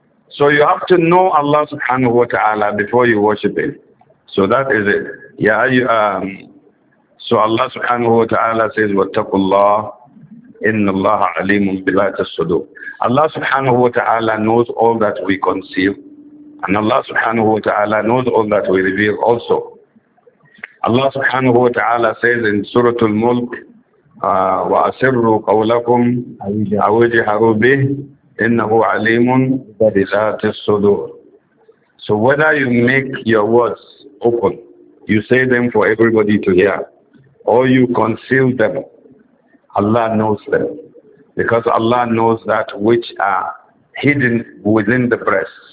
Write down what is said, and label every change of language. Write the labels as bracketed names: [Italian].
[English] So you have to know Allah subhanahu wa ta'ala before you worship Him. So that is it. So Allah subhanahu wa ta'ala says, [Arabic] وَاتَّقُوا اللَّهِ إِنَّ اللَّهَ عَلِيمٌ بِذَاتِ الصُّدُورِ. [English] Allah subhanahu wa ta'ala knows all that we conceal. And Allah subhanahu wa ta'ala knows all that we reveal also. Allah subhanahu wa ta'ala says in Surah Al-Mulk, [Arabic] وأسروا قولكم أو اجهروا به إنه عليم بذات الصدور. [English] So whether you make your words open, you say them for everybody to hear, or you conceal them, Allah knows them. Because Allah knows that which are hidden within the breast.